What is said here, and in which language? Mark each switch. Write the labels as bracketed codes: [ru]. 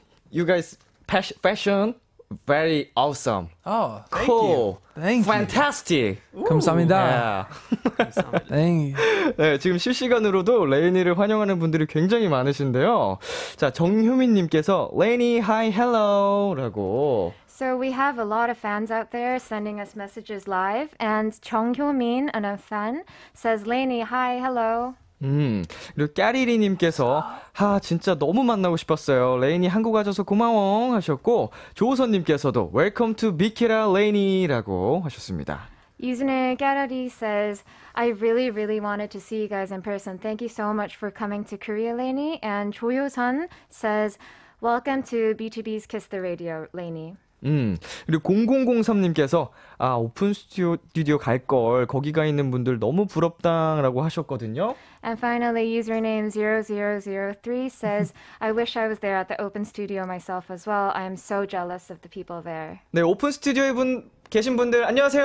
[en] You guys fashion very awesome. Oh, thank cool. you. Thank Fantastic. you. [ko] 감사합니다. [en] Yeah. [ko] 감사합니다. 네, 지금 실시간으로도 레이니를 환영하는 분들이 굉장히 많으신데요. 자, 정효민 님께서 레이니 하이 헬로라고 [en] So we have a lot of fans out there sending us messages live and 정효민 and a fan says Lainey hi hello. [ko] 그리고 까리리 님께서 하 진짜 너무 만나고 싶었어요. 레인이 한국 와줘서 고마워 하셨고 조우선 님께서도 웰컴 투 비키라 레인이라고 하셨습니다. [en] Username Gallery says I really really wanted to see you guys in person. Thank you so much for coming to Korea Lainey and 조효선 says welcome to BTOB's Kiss the Radio Lainey. [ko] 그리고 0003님께서 아 오픈 스튜디오 갈 걸 거기가 있는 분들 너무 부럽다라고 하셨거든요. [en] And finally, username 0003 says, I wish I was there at the open studio myself as well. I am so jealous of the people there. [ko] 네, 오픈 스튜디오에 계신 분들 안녕하세요.